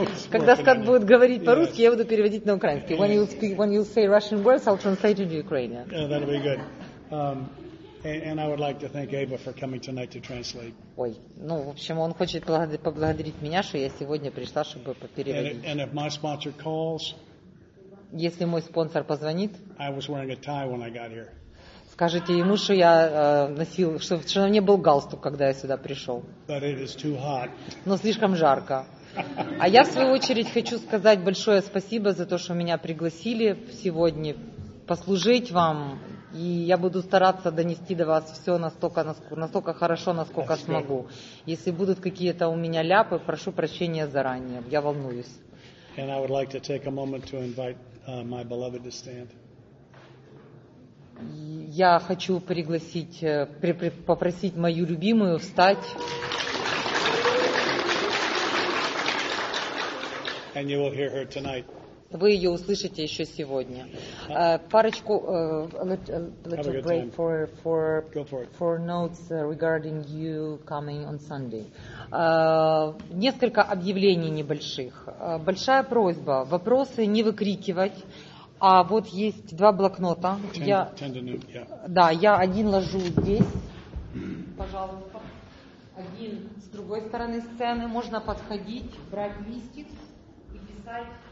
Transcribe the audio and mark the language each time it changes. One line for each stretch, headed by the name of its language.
Russian: Когда Скотт будет говорить по-русски, я буду переводить на украинский.
English: When you say Russian words, I'll translate into Ukrainian. That'll be good. And I would like to thank Ava for coming tonight to translate.
Russian: Ой, ну в общем, он хочет поблагодарить меня, что я сегодня пришла, чтобы попереводить.
English: And if my sponsor calls,
Russian: если мой спонсор позвонит,
English: I was wearing a tie when I got here.
Russian: Скажите ему, что я носил, что на мне был галстук, когда я сюда пришел.
English: But it is too hot.
Russian: Но слишком жарко. А я, в свою очередь, хочу сказать большое спасибо за то, что меня пригласили сегодня послужить вам. И я буду стараться донести до вас все настолько хорошо, насколько
English: That's
Russian: смогу.
English: Good.
Russian: Если будут какие-то у меня ляпы, прошу прощения заранее. Я волнуюсь.
English: And I would like to take a moment to invite my beloved to stand.
Russian: Я хочу попросить мою любимую встать.
English: And you will hear her tonight.
Russian: Вы ее услышите еще сегодня. Парочку
English: little break for notes regarding you coming on Sunday.
Russian: Несколько объявлений небольших. Большая просьба. Вопросы не выкрикивать. А вот есть два блокнота. Я один ложу здесь. Пожалуйста. Один с другой стороны сцены. Можно подходить, брать листик и писать.